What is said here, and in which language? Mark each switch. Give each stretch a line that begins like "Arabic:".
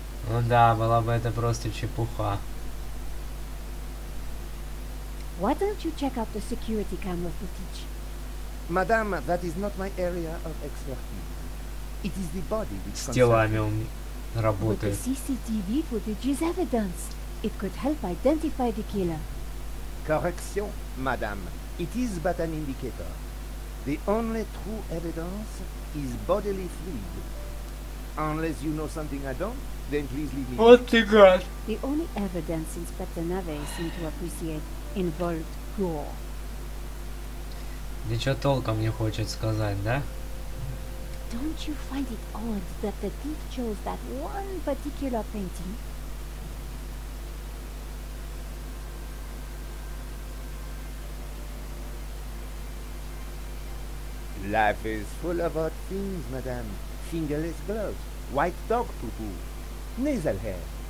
Russian: Ну да, была бы это просто чепуха.
English: Why don't you check out the security camera footage? Madame, that is not my area of expertise. It is the body which
Russian: concerns. С телами он работает.
English: But the CCTV footage is evidence. It could help identify the killer. Correction, madame. It is but an indicator. The only true evidence is bodily fluid. Unless you know something I don't, then please leave me. What the god? The only evidence Inspector Nave seemed to appreciate involved gore.
Russian: Ничего толком не хочет сказать, да?
English: Don't you find it odd that the thief chose that one particular painting? Life is full of odd things, madame. Fingerless gloves, white dog poo-poo, nasal hair.